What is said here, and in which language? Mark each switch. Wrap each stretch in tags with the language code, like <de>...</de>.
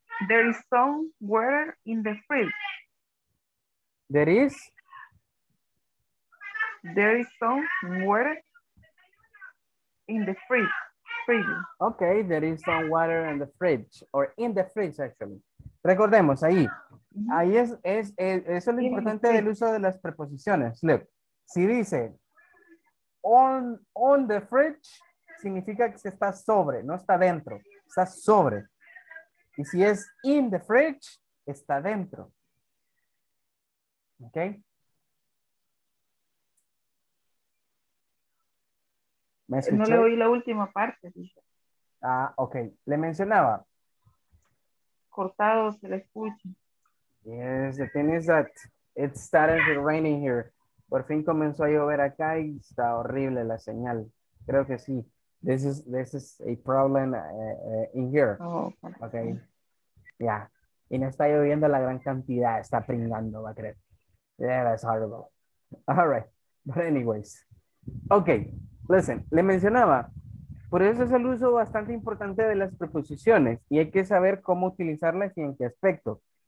<en>There is some water in the fridge. There is some water in the fridge. Okay, there is some water in the fridge, or in the fridge, actually.</en> <es>Recordemos, ahí. Mm-hmm. Ahí es lo importante del uso de las preposiciones. Look, si dice</es> <en>on the fridge,</en> <es>significa que se está sobre, no está dentro, está sobre. Y si es</es> <en>in the fridge,</en> <es>está dentro. Okay. ¿Me escuchó? No le oí la última parte. Ah, okay. Le mencionaba. Cortado se le escucha.</es> <en>Yes, the thing is that it started raining here.</en> <es>Por fin comenzó a llover acá y está horrible la señal. Creo que sí.</es> <en>This is a problem in here. Oh, okay.</en> <es>Yeah, y no está lloviendo la gran cantidad, está pringando, va a creer. Yeah,</es> <en>that's horrible. All right, but anyways. Okay, listen,</en> <es>le mencionaba, por eso es el uso bastante importante de las preposiciones y hay que saber cómo utilizarlas y en qué aspecto.</es>